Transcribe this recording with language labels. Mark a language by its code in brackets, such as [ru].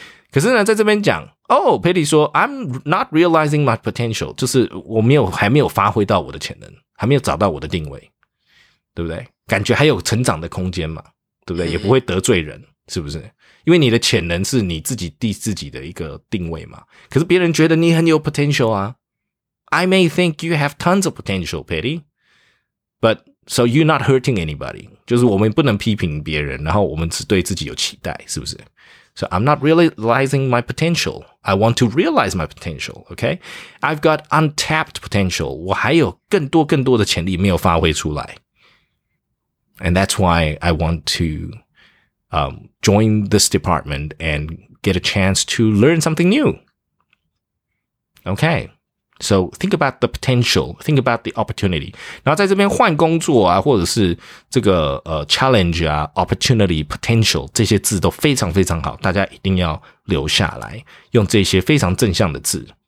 [zh] 可是呢，在这边讲，哦，佩蒂说 ， [en] I'm not realizing my potential， [zh] 就是我没有还没有发挥到我的潜能。还没有找到我的定位，对不对？感觉还有成长的空间嘛，对不对？也不会得罪人，是不是？因为你的潜能是你自己定自己的一个定位嘛。可是别人觉得你很有 potential 啊。 [en] I may think you have tons of potential, Patty, but so you're not hurting anybody. [zh] 就是我们不能批评别人，然后我们只对自己有期待，是不是？ [en] So I'm not realizing my potential. I want to realize my potential, okay? I've got untapped potential. [zh] 我还有更多更多的潜力没有发挥出来。 [en] And that's why I want to, join this department and get a chance to learn something new. Okay. So think about the potential. Think about the opportunity. [zh] 然后在这边换工作啊，或者是这个challenge 啊 ，opportunity, potential 这些字都非常非常好，大家一定要留下来用这些非常正向的字。